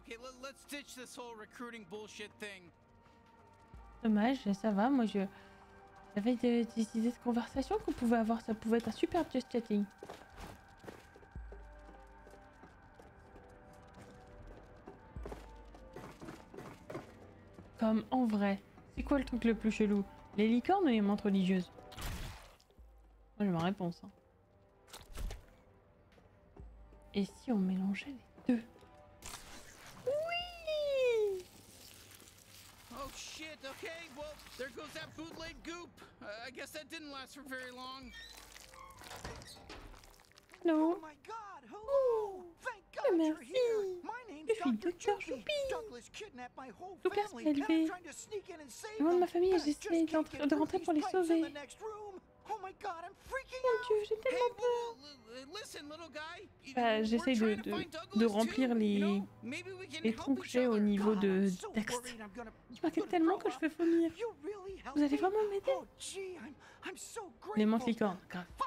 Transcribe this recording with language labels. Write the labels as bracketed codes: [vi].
[en] Ok, let's ditch this whole recruiting bullshit thing. [fr] Dommage, ça va, moi je. J'avais des idées de conversation qu'on pouvait avoir, ça pouvait être un super just chatting. Comme en vrai, c'est quoi le truc le plus chelou? Les licornes ou les montres religieuses? Moi j'ai ma réponse. Hein. Et si on mélangeait les deux? Oui! [en] Oh shit, Okay, well, there goes that bootleg goop. I guess that didn't last for very long. No. Oh my god, hello! Thank god you're here! My name's Dr. Choupi! Douglas kidnapped my whole family, and I'm trying to sneak in and save them! But I just can't get through these pipes in the next room! Oh my god, I'm freaking out! [fr] Mon dieu, j'ai tellement peur! [en] Listen, little guy, [fr] j'essaie de remplir les trous que j'ai au niveau de texte. Je m'inquiète tellement que je vais vomir. Vous allez vraiment m'aider? Les mains flicornes, grave.